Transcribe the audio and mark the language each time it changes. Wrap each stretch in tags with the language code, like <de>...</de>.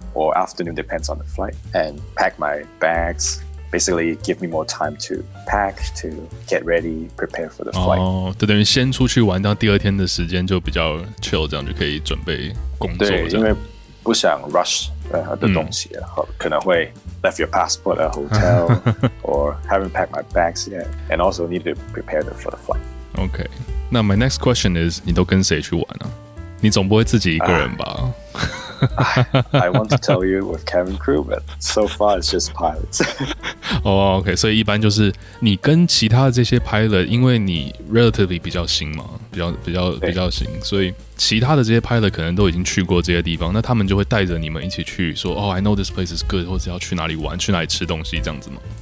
<en>Or afternoon depends on the flight, and pack my bags. Basically, give me more time to pack, to get ready, prepare for the flight.</en> <zh>就等于先出去玩，到第二天的时间就比较 chill， 这样就可以准备工作。对，因为不想</zh> <en>rush</en> <zh>任何的东西，可能会</zh> <en>left your passport at hotel or haven't packed my bags yet, and also need to prepare them for the flight. Okay.</en> <zh>那</zh> <en>my next question is，</en> <zh>你都跟谁去玩啊？你总不会自己一个人吧？</zh> <en>I want to tell you with cabin crew, but so far it's just pilots. Oh, okay. So,</en> <zh>一般就是你跟其他的这些 pilot， 因为你 relatively 比较新嘛，比较新，所以其他的这些 pilot 可能都已经去过这些地方，那他们就会带着你们一起去说，说</zh> <en>I know this place is good，</en> <zh>或者要去哪里玩，去哪里吃东西这样子吗？</zh>